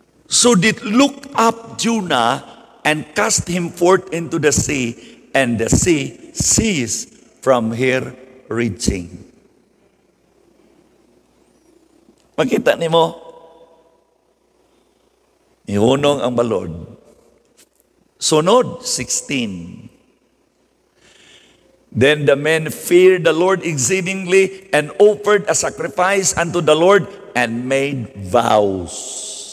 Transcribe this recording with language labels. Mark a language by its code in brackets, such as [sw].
[en] "So did look up Jonah and cast him forth into the sea, and the sea ceased from her raging." [ceb] Makita ni mo, ihunong ang balod. Sunod, 16. [en] "Then the men feared the Lord exceedingly and offered a sacrifice unto the Lord and made vows."